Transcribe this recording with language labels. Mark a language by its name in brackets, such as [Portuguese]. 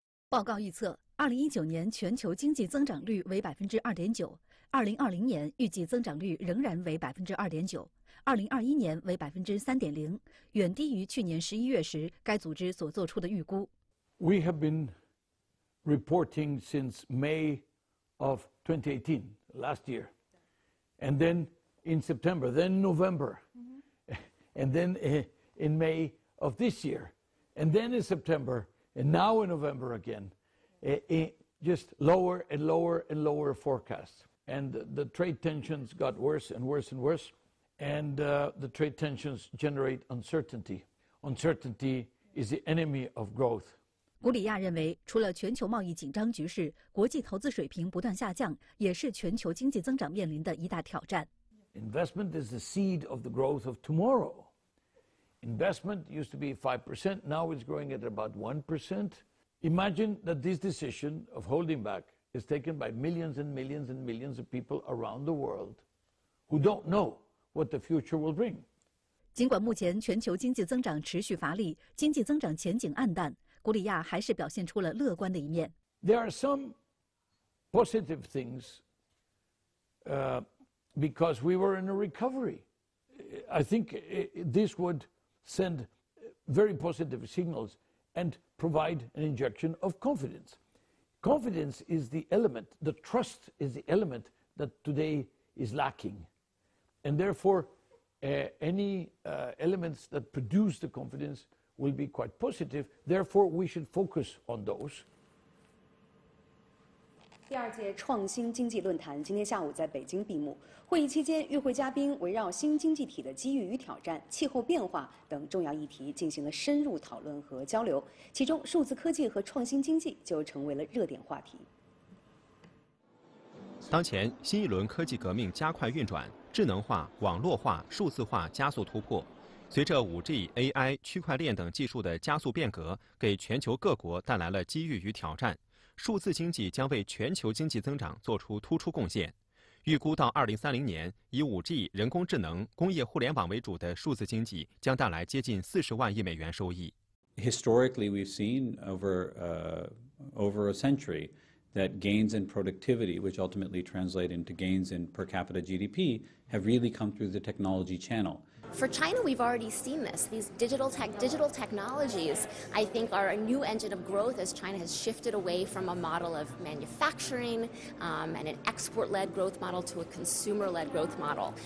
[Chinese] 报告预测，2019年全球经济增长率为2.9%，2020年预计增长率仍然为2.9%，2021年为3.0%，远低于去年11月时该组织所做出的预估。 [English] We have been reporting since May of 2018, last year, and then in September, then November. and then in May of this year, and then in September, and now in November again. Just lower and lower and lower forecasts. And the trade tensions got worse and worse and worse. And the trade tensions generate uncertainty. Uncertainty is the enemy of growth. [Chinese] 古里亚认为，除了全球贸易紧张局势，国际投资水平不断下降，也是全球经济增长面临的一大挑战。 [English] Investment is the seed of the growth of tomorrow. Investment used to be 5%, now it's growing at about 1%. Imagine that this decision of holding back is taken by millions and millions and millions of people around the world who don't know what the future will bring. [Chinese] 尽管目前全球经济增长持续乏力，经济增长前景暗淡，古里亚还是表现出了乐观的一面。 [English] There are some positive things, because we were in a recovery. I think this would send very positive signals and provide an injection of confidence. Confidence is the element, the trust is the element that today is lacking. And therefore, any elements that produce the confidence will be quite positive. Therefore, we should focus on those. [Chinese] 第二届创新经济论坛今天下午在北京闭幕。会议期间，与会嘉宾围绕新经济体的机遇与挑战、气候变化等重要议题进行了深入讨论和交流，其中数字科技和创新经济就成为了热点话题。当前，新一轮科技革命加快运转，智能化、网络化、数字化加速突破。随着 5G、AI、区块链等技术的加速变革，给全球各国带来了机遇与挑战。数字经济将为全球经济增长做出突出贡献。预估到2030年，以 5G、人工智能、工业互联网为主的数字经济将带来接近40万亿美元收益。 [English] Historically, we've seen over a century that gains in productivity, which ultimately translate into gains in per capita GDP, have really come through the technology channel. For China, we've already seen this. These digital technologies, I think, are a new engine of growth as China has shifted away from a model of manufacturing and an export-led growth model to a consumer-led growth model.